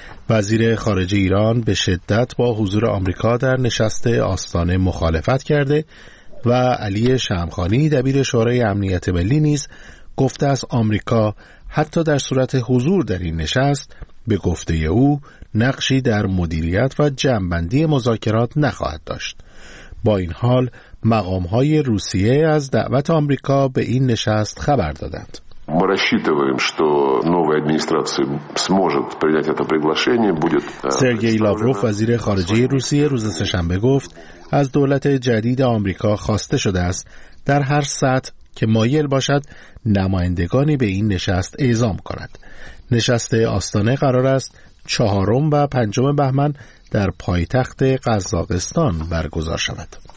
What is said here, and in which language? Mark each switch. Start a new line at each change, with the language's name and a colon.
Persian: وزیر خارجه ایران به شدت با حضور آمریکا در نشست آستانه مخالفت کرده و علی شمخانی دبیر شورای امنیت ملی نیز گفته است آمریکا حتی در صورت حضور در این نشست به گفته او نقشی در مدیریت و جمع‌بندی مذاکرات نخواهد داشت. با این حال مقام‌های روسیه از دعوت آمریکا به این نشست خبر دادند.
Russian: ما рассчитываем, что новая администрация сможет принять это приглашение, будет
Persian: سرگئی لاوروف وزیر خارجه روسیه روز سه‌شنبه گفت از دولت جدید آمریکا خواسته شده است در هر سطح که مایل باشد نمایندگانی به این نشست اعزام کند. نشست آستانه قرار است 4 و 5 بهمن در پایتخت قزاقستان برگزار شود.